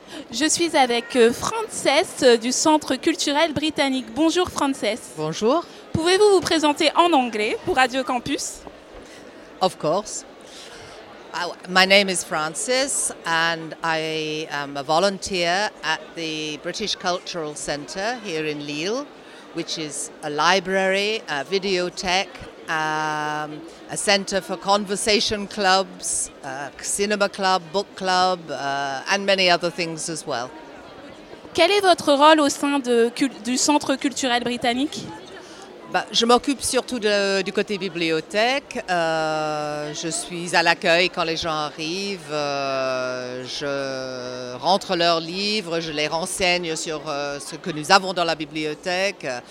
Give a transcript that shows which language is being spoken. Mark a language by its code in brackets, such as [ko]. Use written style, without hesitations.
[fr] Je suis avec Frances du Centre culturel britannique. Bonjour Frances. Bonjour. Pouvez-vous vous présenter en anglais pour Radio Campus? [en] Of course. My name is Frances and I am a volunteer at the British Cultural Centre here in Lille, which is a library, a videotheque, a centre for conversation clubs, a cinema club, book club, and many other things as well. [fr] Quel est votre rôle au sein du Centre culturel britannique? Je m'occupe surtout du côté bibliothèque. Je suis à l'accueil quand les gens arrivent. Je rentre leurs livres, je les renseigne sur ce que nous avons dans la bibliothèque.